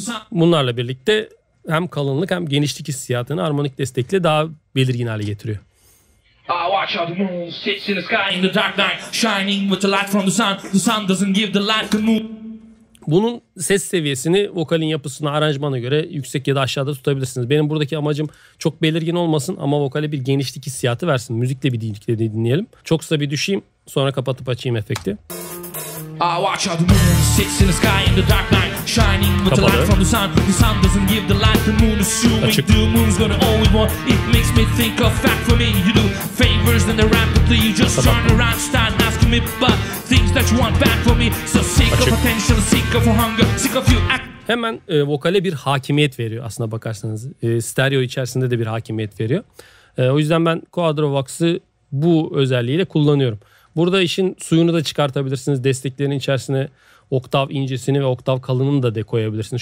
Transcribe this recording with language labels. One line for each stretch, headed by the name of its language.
Turkish: Bunlarla birlikte hem kalınlık hem genişlik hissiyatını harmonik destekle daha belirgin hale getiriyor.
English: I watch how the moon sits in the sky in the dark night, shining with the light from the sun. The sun doesn't give the light, the moon.
Turkish: Bunun ses seviyesini vokalin yapısına, aranjmana göre yüksek ya da aşağıda tutabilirsiniz. Benim buradaki amacım çok belirgin olmasın ama vokale bir genişlik hissiyatı versin. Müzikle bir dinlikle dinleyelim. Çok kısa bir düşeyim, sonra kapatıp açayım efekti.
English: I watch how the moon sits in the sky in the dark night, shining with the light from the sun. The sun doesn't give the light, the moon assuming the moon's gonna always want. It makes me think of fact for me, you do favors and the ramp up to you. Just turn around, start asking me but things that you want back for me. So sick of attention, sick of hunger, sick of you act.
Turkish: Hemen vokale bir hakimiyet veriyor aslına bakarsanız. Stereo içerisinde de bir hakimiyet veriyor. O yüzden ben Quadravox'ı bu özelliğiyle kullanıyorum. Burada işin suyunu da çıkartabilirsiniz. Desteklerin içerisine oktav incesini ve oktav kalınını da koyabilirsiniz.